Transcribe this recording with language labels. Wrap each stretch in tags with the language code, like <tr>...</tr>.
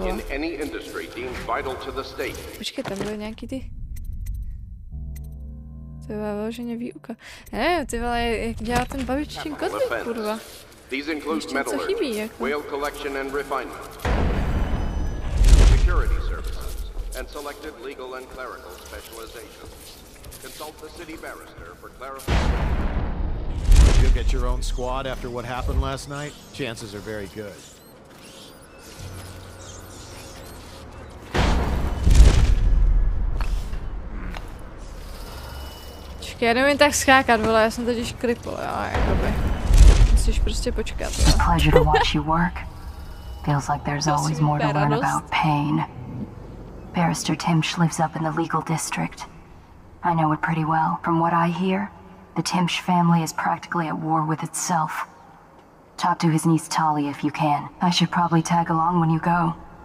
<en>in any industry deemed vital to the state.</en> <cs>Počkej, tam byly nějaký ty... To byla vyloženě výuka. Ty vole, jak dělá ten babičtím kotlík, kurva.</cs> <en>These include metal</en> <cs>chemie, jak...</cs> <en>whale collection and refinement. Security services and selected legal and clerical specializations. Consult the city barrister for clarification. You'll get your own squad after what happened last night? Chances are very good.</en> <cs>Čekaj, já nevím tak skákat, vole, já jsem totiž kripl, jo, jakoby. Musíš prostě počkat, jo.</cs> <en>It's a pleasure to watch you work. Feels like there's always more to learn about pain. Barrister Timsch lives up in the legal district. I know it pretty well, from what I hear. The Timsch family is practically at war with itself. Talk to his niece Tali if you can. I should probably tag along when you go.</en>